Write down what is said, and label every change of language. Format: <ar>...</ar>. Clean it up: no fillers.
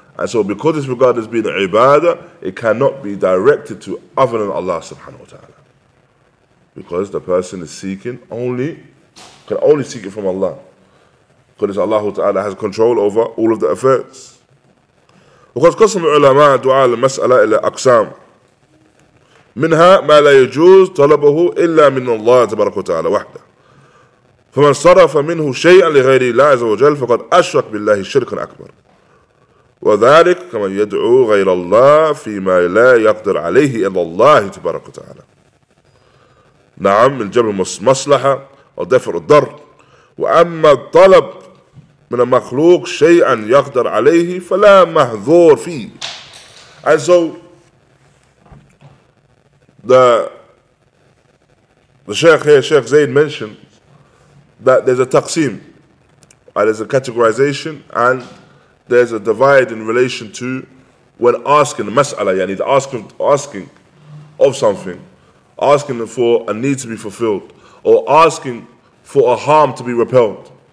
<en>And so because it's regarded as being ibadah, it cannot be directed to other than Allah subhanahu wa ta'ala. Because the person is seeking only, can only seek it from Allah. Because Allah Ta'ala has control over all of the affairs.</en> <ar>Because qasam ulama du'a al-mas'ala ila aqsam. منها ما لا يجوز طلبه إلا من الله تبارك وتعالى وحده فمن صرف منه شيئا لغير الله عز وجل فقد أشرك بالله شركا أكبر وذلك كمن يدعو غير الله فيما لا يقدر عليه إلا الله تبارك وتعالى نعم الجبر مصلحة ودفع الضر وأما الطلب من المخلوق شيئا يقدر عليه فلا محذور فيه.</ar> <en>And so the Shaykh here, Shaykh Zayd, mentioned that there's a taqseem, and there's a categorization, and there's a divide in relation to when asking the mas'ala, yani the asking of something, asking for a need to be fulfilled, or asking for a harm to be repelled.</en>